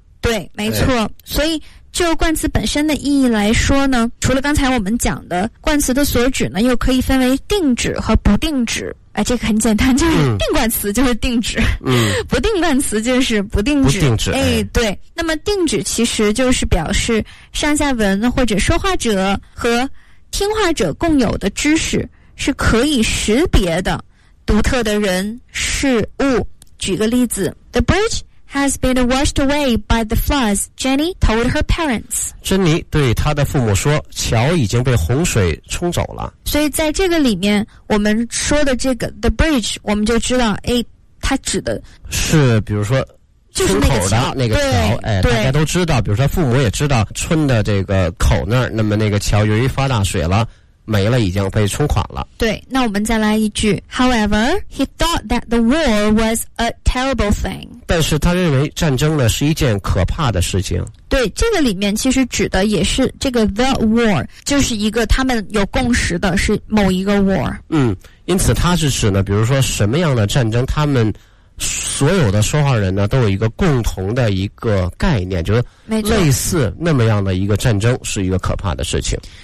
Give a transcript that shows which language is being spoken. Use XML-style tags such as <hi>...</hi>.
<zh>对，没错，哎，所以就冠词本身的意义来说呢，除了刚才我们讲的冠词的所指呢，又可以分为定指和不定指，哎，这个很简单，就是定冠词就是定指，嗯，不定冠词就是不定指，不定指，哎，对，那么定指其实就是表示上下文或者说话者和听话者共有的知识，是可以识别的独特的人事物。举个例子，</zh> <en>The bridge has been washed away by the floods, Jenny told her parents.</en> <zh>珍妮对她的父母说，桥已经被洪水冲走了。所以在这个里面我们说的这个 The bridge, 我们就知道，哎，它指的是比如说村口的那个桥，哎，大家都知道，比如说父母也知道村的这个口那儿，那么那个桥由于发大水了没了，已经被冲垮了。对，那我们再来一句。</zh> <en>However, he thought that the war was a terrible thing.</en> <zh>但是他认为战争呢是一件可怕的事情。对，这个里面其实指的也是这个 the war, 就是一个他们有共识的是某一个 war。嗯，因此他是指呢，比如说什么样的战争，他们所有的说话人呢都有一个共同的一个概念，就是类似那么样的一个战争是一个可怕的事情。</zh>